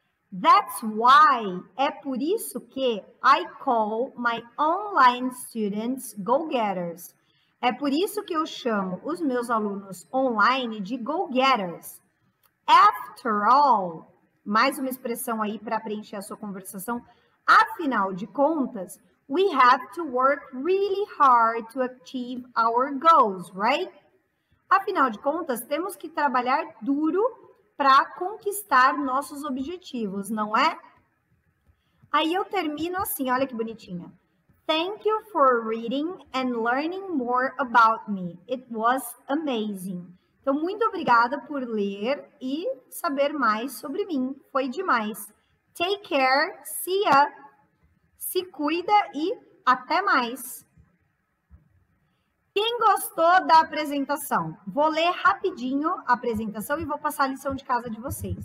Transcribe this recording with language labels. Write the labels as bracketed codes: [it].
[en] That's why, [pt] é por isso que [en] I call my online students go-getters. [pt] É por isso que eu chamo os meus alunos online de go-getters. [en] After all, [pt] mais uma expressão aí para preencher a sua conversação. Afinal de contas, [en] we have to work really hard to achieve our goals, right? [pt] Afinal de contas, temos que trabalhar duro para conquistar nossos objetivos, não é? Aí eu termino assim, olha que bonitinha. [en] Thank you for reading and learning more about me. It was amazing. [pt] Então, muito obrigada por ler e saber mais sobre mim. Foi demais. T [en] Take care, see ya, [pt] se cuida e até mais. Quem gostou da apresentação? Vou ler rapidinho a apresentação e vou passar a lição de casa de vocês.